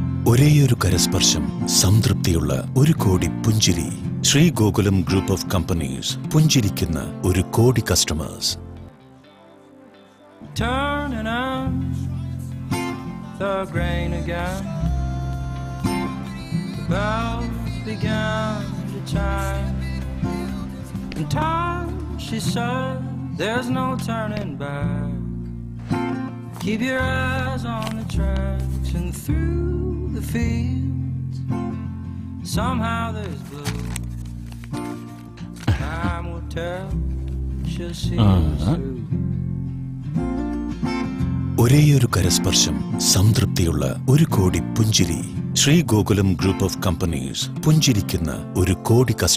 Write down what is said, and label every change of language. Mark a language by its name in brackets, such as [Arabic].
[Malayalam] ഒരേ ഒരു കരസ്പർശം സംതൃപ്തിയുള്ള ഒരു കോടി പുഞ്ചിരി. Shri Gokulam group of companies, പുഞ്ചിരിക്കുന്ന ഒരു കോടി customers. [English] Turning on the grain again, the bells began to chime, in time she said there's no turning back, keep your eyes on the tracks and through the fields, somehow there's blue, time will tell, she'll see us through. [Malayalam] ഒരേയൊരു കരസ്പർശം സംതൃപ്തിയുള്ള ഒരു കോടി പുഞ്ചിരി. Shri Gokulam group of companies, പുഞ്ചിരിക്കുന്ന ഒരു കോടി